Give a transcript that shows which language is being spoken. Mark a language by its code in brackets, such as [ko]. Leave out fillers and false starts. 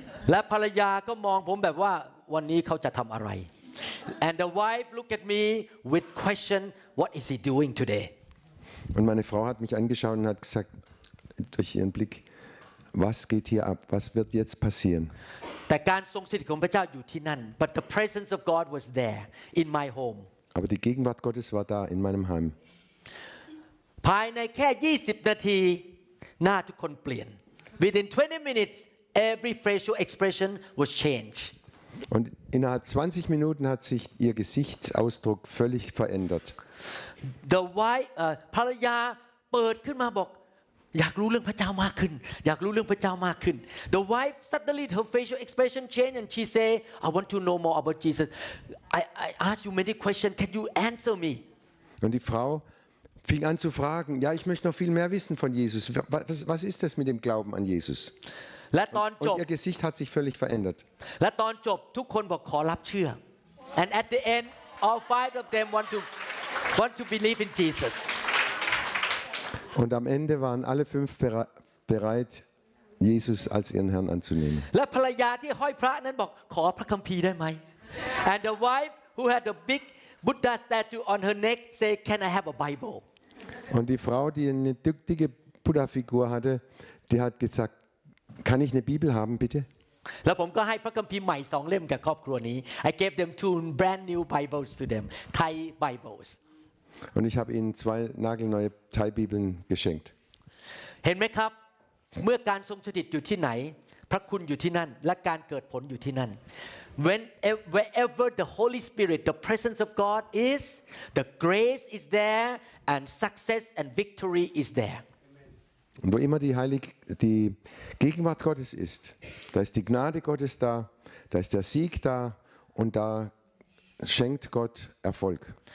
[th] และภรรยาก็มองผมแบบว่าวันนี้เขาจะทำอะไร [en] And the wife looked at me with question, "What is he doing today?" [de] Und meine Frau hat mich angeschaut und hat gesagt durch ihren Blick, "Was geht hier ab? Was wird jetzt passieren?" [th] แต่การทรงสถิตของพระเจ้าอยู่ที่นั่น [en] But the presence of God was there in my home. [de] Aber die Gegenwart Gottes war da in meinem Heim. [th] ภายในแค่20นาทีหน้าทุกคนเปลี่ยน [en] Within 20 minutes, every facial expression was changed. [de] Und innerhalb 20 Minuten hat sich ihr Gesichtsausdruck völlig verändert. [en] The wife, Palaya, opened up and said, "I want to know more about God. I want to know more about God." The wife suddenly her facial expression changed and she said, "I want to know more about Jesus. I ask you many questions. Can you answer me?" [de] Und die Frau fing an zu fragen, "Ja, ich möchte noch viel mehr wissen von Jesus. Was ist das mit dem Glauben an Jesus?" Und ihr Gesicht hat sich völlig verändert. Und dann [th] จบทุกคนบอกขอรับเชื่อ [en] And at the end all 5 of them want to believe in Jesus. [de] Und am Ende waren alle 5 bereit Jesus als ihren Herrn anzunehmen. [th] และภรรยาที่ห้อยพระนั้นบอกขอพระคัมภีร์ได้ไหม [en] And the wife who had a big Buddha statue on her neck say can I have a Bible? [de] Und die Frau die eine dicke Buddha Figur hatte, die hat gesagtKann ich eine Bibel haben, bitte? [th] แล้วผมก็ให้พระคัมภีร์ใหม่2เล่มกับครอบครัวนี้ [en] I gave them two brand new Bibles to them, Thai Bibles. [de] Und ich habe ihnen 2 nagelneue Thai Bibeln geschenkt. [th] เห็นไหมครับเมื่อการทรงสถิตอยู่ที่ไหนพระคุณอยู่ที่นั่นและการเกิดผลอยู่ที่นั่น [en] Wherever the Holy Spirit, the presence of God is, the grace is there and success and victory is there. [de] Und wo immer die Gegenwart Gottes ist, da ist die Gnade Gottes da, da ist der Sieg da und da schenkt Gott Erfolg.